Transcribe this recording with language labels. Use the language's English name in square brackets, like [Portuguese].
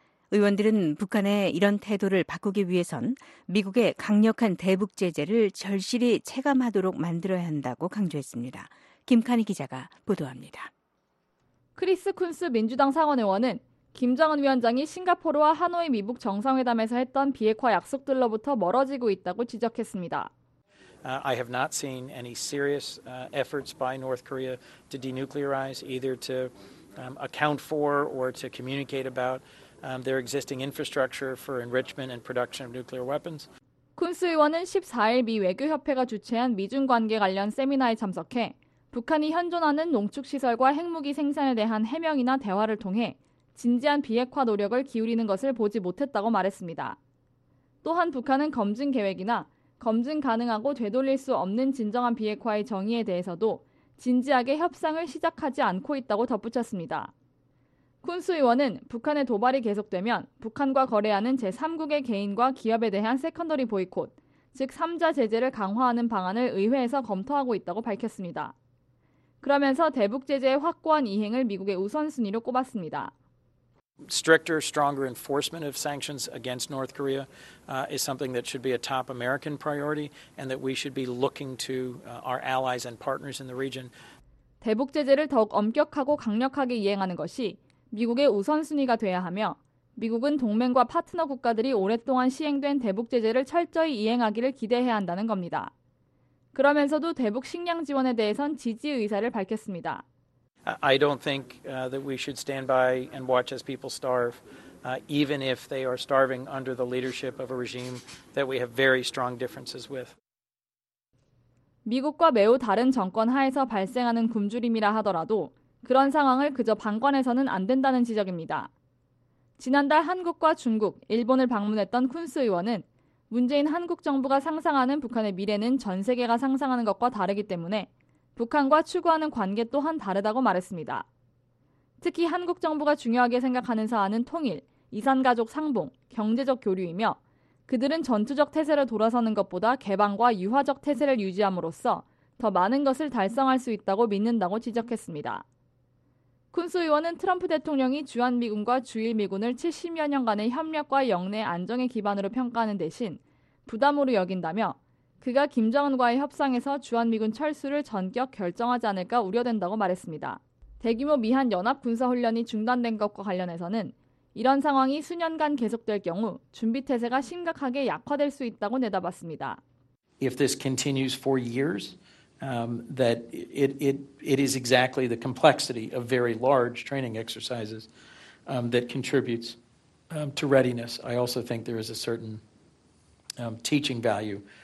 [Korean] 의원들은 북한의 이런 태도를 바꾸기 위해선 미국의 강력한 대북 제재를 절실히 체감하도록 만들어야 한다고 강조했습니다. 김카니 기자가 보도합니다. 크리스 쿤스 민주당 상원 의원은 김정은 위원장이 싱가포르와 하노이 미북 정상회담에서 했던 비핵화 약속들로부터 멀어지고 있다고 지적했습니다. [English] I have not seen any serious efforts by North Korea to denuclearize, either to account for or to communicate about their existing infrastructure for enrichment and production of nuclear weapons. [Korean] 쿤스 의원은 14일 미 외교협회가 주최한 미중 관계 관련 세미나에 참석해 북한이 현존하는 농축시설과 핵무기 생산에 대한 해명이나 대화를 통해 진지한 비핵화 노력을 기울이는 것을 보지 못했다고 말했습니다. 또한 북한은 검증 계획이나 검증 가능하고 되돌릴 수 없는 진정한 비핵화의 정의에 대해서도 진지하게 협상을 시작하지 않고 있다고 덧붙였습니다. 쿤스 의원은 북한의 도발이 계속되면 북한과 거래하는 제3국의 개인과 기업에 대한 세컨더리 보이콧, 즉 3자 제재를 강화하는 방안을 의회에서 검토하고 있다고 밝혔습니다. 그러면서 대북 제재의 확고한 이행을 미국의 우선순위로 꼽았습니다. [English] Stricter, stronger enforcement of sanctions against North Korea is something that should be a top American priority and that we should be looking to our allies and partners in the region. [Korean] 대북 제재를 더욱 엄격하고 강력하게 이행하는 것이 미국의 우선순위가 돼야 하며 미국은 동맹과 파트너 국가들이 오랫동안 시행된 대북 제재를 철저히 이행하기를 기대해야 한다는 겁니다. 그러면서도 대북 식량 지원에 대해선 지지 의사를 밝혔습니다. [English] I don't think that we should stand by and watch as people starve, even if they are starving under the leadership of a regime that we have very strong differences with. [Korean] 미국과 매우 다른 정권 하에서 발생하는 굶주림이라 하더라도 그런 상황을 그저 방관해서는 안 된다는 지적입니다. 지난달 한국과 중국, 일본을 방문했던 쿤스 의원은 문재인 한국 정부가 상상하는 북한의 미래는 전 세계가 상상하는 것과 다르기 때문에 북한과 추구하는 관계 또한 다르다고 말했습니다. 특히 한국 정부가 중요하게 생각하는 사안은 통일, 이산가족 상봉, 경제적 교류이며 그들은 전투적 태세를 돌아서는 것보다 개방과 유화적 태세를 유지함으로써 더 많은 것을 달성할 수 있다고 믿는다고 지적했습니다. 쿤스 의원은 트럼프 대통령이 주한미군과 주일미군을 70여 년간의 협력과 영내 안정의 기반으로 평가하는 대신 부담으로 여긴다며 그가 김정은과의 협상에서 주한미군 철수를 전격 결정하지 않을까 우려된다고 말했습니다. 대규모 미한 연합군사훈련이 중단된 것과 관련해서는 이런 상황이 수년간 계속될 경우 준비태세가 심각하게 약화될 수 있다고 내다봤습니다. [English] If this continues for years, that it is exactly the complexity of very large training exercises that contributes to readiness. I also think there is a certain teaching value.